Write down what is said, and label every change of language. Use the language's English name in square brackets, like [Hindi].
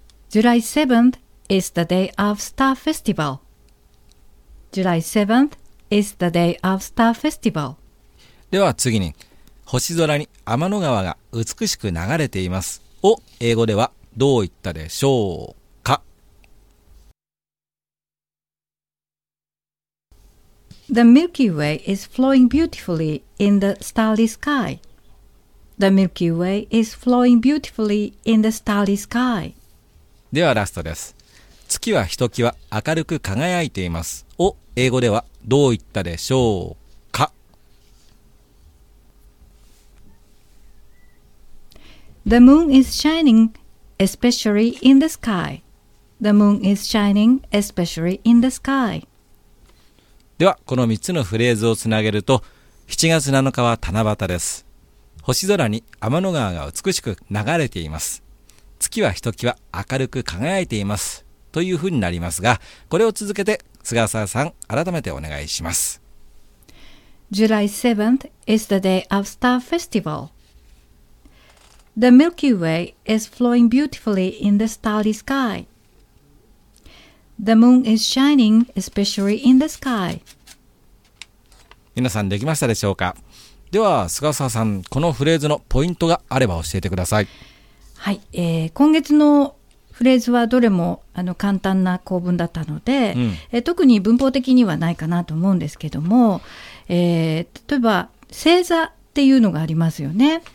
[English] July 7th is the day of Star Festival. July 7th is the day of Star Festival. [Japanese] では次に、星空に天の川が美しく流れていますを英語ではどう言ったでしょうか？ [English] The Milky Way is flowing beautifully in the starry sky. The Milky Way is flowing beautifully in the starry sky. [Japanese] ではラストです。月はひときわ明るく輝いていますを英語ではどう言ったでしょうか？ [English] The moon is shining especially in the sky. The moon is shining especially in the sky. [Japanese] ではこの3つのフレーズをつなげると7月7日は七夕です。星空に天の川が美しく流れています。月はひときわ明るく輝いていますというふうになりますが、これを続けて菅沢さん改めてお願いします。 [English] July 7th is the day of Star Festival. The Milky Way is flowing beautifully in the starry sky. The moon is shining especially in the sky. [Japanese] 皆さんできましたでしょうか？では菅沢さん、このフレーズのポイントがあれば教えてください。はい、今月のフレーズはどれも簡単な構文だったので、うん、特に文法的にはないかなと思うんですけども、例えば星座っていうのがありますよね。